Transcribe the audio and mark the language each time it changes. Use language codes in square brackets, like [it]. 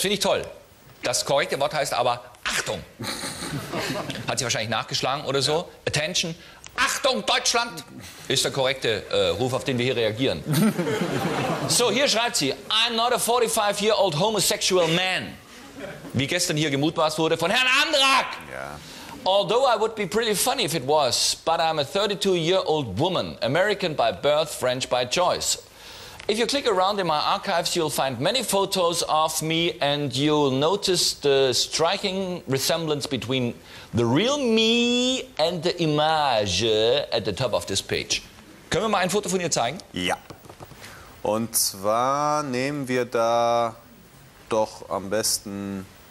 [de] Das finde ich toll. Das korrekte Wort heißt aber Achtung. Hat sie wahrscheinlich nachgeschlagen oder so. Ja. Attention. Achtung, Deutschland! Ist der korrekte Ruf, auf den wir hier reagieren. So, hier schreibt sie: [en] I'm not a 45-year-old homosexual man. [de] Wie gestern hier gemutmaßt wurde von Herrn Andrak. [en] Yeah. Although I would be pretty funny if it was, but I'm a 32-year-old woman, American by birth, French by choice. If you click around in my archives, you'll find many photos of me and you'll notice the striking resemblance between the real me and the image at the top of this page. [de] Können wir mal ein Foto von ihr zeigen? Ja. Und zwar nehmen wir da doch am besten.